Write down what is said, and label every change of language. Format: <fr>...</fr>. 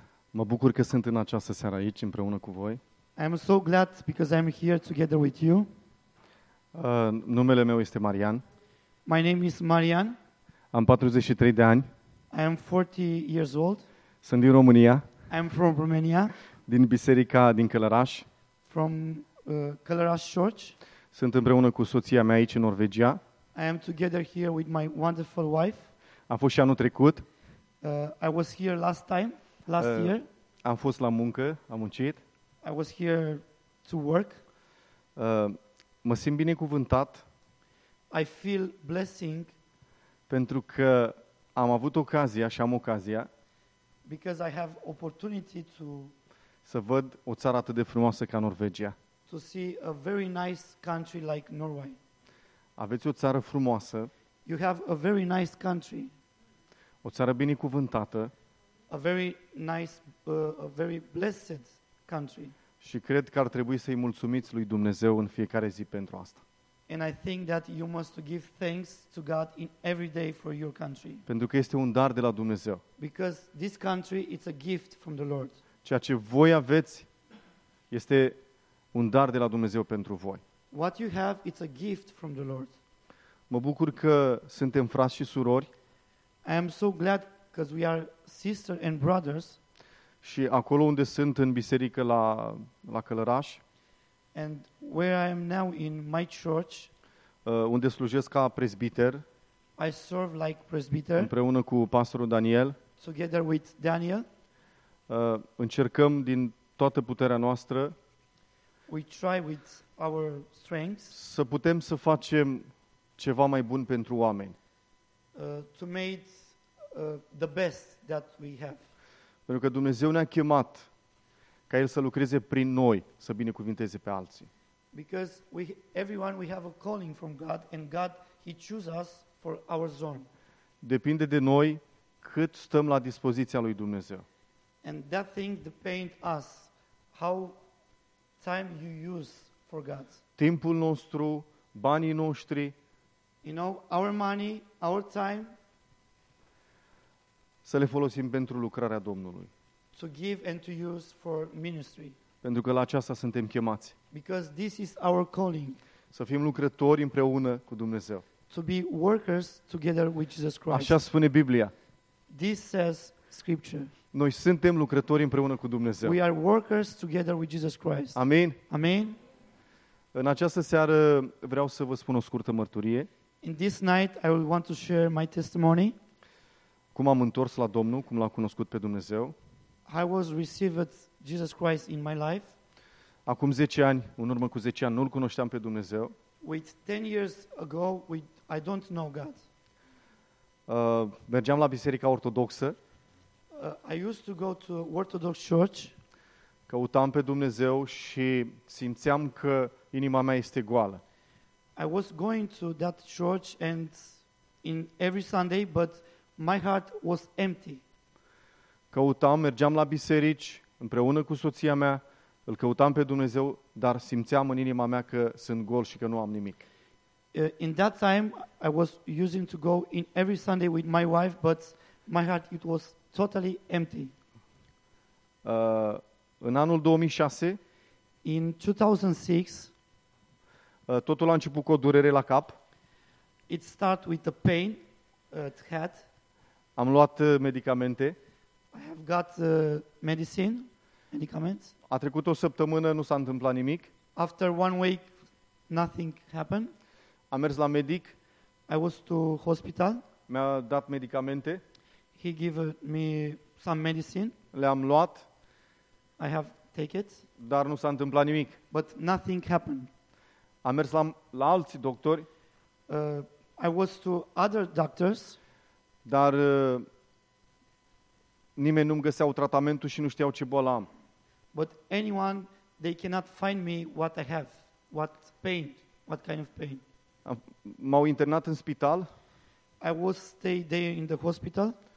<ro>Mă bucur că sunt în această seară aici împreună cu voi.</ro> <en>I'm so glad because I'm here together with you.</en> <ro>Numele meu este Marian.</ro> <en>My name is Marian.</en> <ro>Am 43 de ani.</ro> <en>I am 40 years old.</en> <ro>Sunt din România.</ro> <en>I'm from Romania.</en> <ro>Din biserica din Călăraș.</ro> <en>From Călăraș Church.</en> <ro>Sunt împreună cu soția mea aici în Norvegia.</ro> <en>I am together here with my wonderful wife.</en> <ro>Am fost și anul trecut.</ro> <en>I was here last time, last year.</en> <ro>Am fost la muncă, am muncit.</ro> <en>I was here to work.</en> <ro>Mă simt binecuvântat.</ro> <en>I feel blessing.</en> <ro>Pentru că am avut ocazia și am ocazia.</ro> <en>Because I have opportunity to.</en> <ro>Să văd o țară atât de frumoasă ca Norvegia.</ro> <en>To see a very nice country like Norway.</en> <ro>Aveți o țară frumoasă.</ro> <en>You have a very nice country.</en> <ro>O țară binecuvântată.</ro> <en>A very nice, a very blessed country.</en> <ro>Și cred că ar trebui să-i mulțumiți lui Dumnezeu în fiecare zi pentru asta.</ro> <en>And I think that you must give thanks to God in every day for your country.</en> <ro>Pentru că este un dar de la Dumnezeu.</ro> <en>Because this country it's a gift from the Lord.</en> <ro>Ceea ce voi aveți este un dar de la Dumnezeu pentru voi.</ro> <en>What you have it's a gift from the Lord.</en> <ro>Mă bucur că suntem frați și surori.</ro> <en>I am so glad because we are sister and brothers.</en> <ro>Și acolo unde sunt în biserică la Călăraș.</ro> <en>And where I am now in my church.</en> <ro>Unde slujesc ca presbiter.</ro> <en>I serve like presbiter.</en> <ro>Împreună cu pastorul Daniel.</ro> <en>Together with Daniel.</en> <ro>Încercăm din toată puterea noastră.</ro> <en>We try with our strengths.</en> <ro>Să putem să facem ceva mai bun pentru oameni.</ro> <en>To make the best that we have.</en> <ro>Pentru că Dumnezeu ne-a chemat ca El să lucreze prin noi, să binecuvinteze pe alții.</ro> <en>Because everyone have a calling from God and God he chooses us for our zone.</en> <ro>Depinde de noi cât stăm la dispoziția lui Dumnezeu.</ro> <en>And that thing depends us how time you use for God.</en> <ro>Timpul nostru, banii noștri.</ro> <en>You know, our money, our time.</en> <ro>Să le folosim pentru lucrarea Domnului.</ro> <en>To give and to use for ministry.</en> <ro>Pentru că la aceasta suntem chemați.</ro> <en>Because this is our calling.</en> <ro>Să fim lucrători împreună cu Dumnezeu.</ro> <en>To be workers together with Jesus Christ.</en> <ro>Așa spune Biblia.</ro> <en>This says scripture.</en> <ro>Noi suntem lucrători împreună cu Dumnezeu.</ro> <en>We are workers together with Jesus Christ.</en> <ro>Amin.</ro> <en>Amin.</en> <ro>În această seară vreau să vă spun o scurtă mărturie.</ro> <en>In this night I will want to share my testimony.</en> <ro>Cum am întors la Domnul, cum l-am cunoscut pe Dumnezeu.</ro> <en>I was received Jesus Christ in my life.</en> <ro>Acum 10 ani, în urmă cu 10 ani, nu-L cunoșteam pe Dumnezeu.</ro> <en>With 10 years ago, I don't know God.</en> <ro>Mergeam la biserica ortodoxă.</ro> <en>I used to go to Orthodox Church.</en> <ro>Căutam pe Dumnezeu și simțeam că inima mea este goală.</ro> <en>I was going to that church and in every Sunday, but my heart was empty.</en> <ro>Căutam, mergeam la biserici împreună cu soția mea, îl căutam pe Dumnezeu, dar simțeam în inima mea că sunt gol și că nu am nimic.</ro> <en>In that time I was using to go in every Sunday with my wife, but my heart it was totally empty.</en> <ro>În anul 2006,</ro> <en>in 2006,</en> <ro>totul a început cu o durere la cap.</ro> <en>It start with a pain at head.</en> <ro>Am luat medicamente.</ro> <en>I have got medicine, medicaments.</en> <ro>A trecut o săptămână, nu s-a întâmplat nimic.</ro> <en>After one week, nothing happened.</en> <ro>Am mers la medic.</ro> <en>I was to hospital.</en> <ro>mi-a dat medicamente.</ro> <en>He gave me some medicine.</en> <ro>Le-am luat.</ro> <en>I have taken it.</en> <ro>Dar nu s-a întâmplat nimic.</ro> <en>But nothing happened.</en> <ro>Am mers la, la alți doctori.</ro> <en>I was to other doctors.</en> <ro>Dar nimeni nu-mi găseau tratamentul și nu știau ce boală am.</ro> <en>But anyone, they cannot find me what I have, what pain, what kind of pain.</en> <ro>M-au internat în spital.</ro> <en>I was stay there in the hospital.</en>